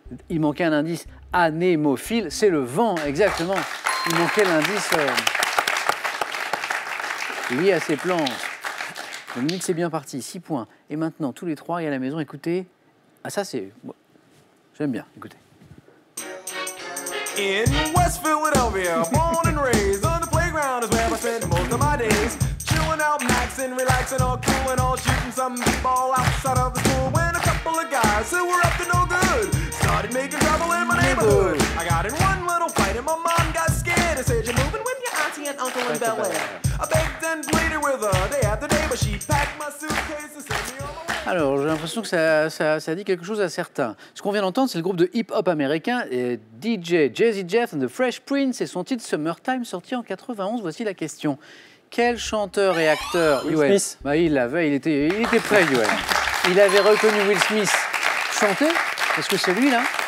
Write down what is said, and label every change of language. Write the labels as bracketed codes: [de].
[fr] Il manquait un indice anémophile, c'est le vent, exactement. Il manquait l'indice... lié à ses plans. Dominique, c'est bien parti. 6 points. Et maintenant, tous les trois, et à la maison, écoutez. Ah, ça, c'est. Bon. J'aime bien. Écoutez. [en] In West Philadelphia, born and raised on the playground is where I spend most of my days. Chilling out, maxing, relaxing, all cool and all shooting some ball outside of the school. When a couple of guys who were up to no good started making trouble in my neighborhood. I got in one little fight and my mom got scared and said, you're moving with your auntie and uncle in Bel Air. I begged and pleaded with her day after day, but she packed my suitcase and sent me all the way. [fr] Alors, j'ai l'impression que ça dit quelque chose à certains. Ce qu'on vient d'entendre, c'est le groupe de hip-hop américain DJ Jazzy Jeff and the Fresh Prince et son titre Summertime sorti en 91. Voici la question. Quel chanteur et acteur Will Smith. Bah, il l'avait, il était prêt, Yuen. Il avait reconnu Will Smith chanter. Est-ce que c'est lui, là?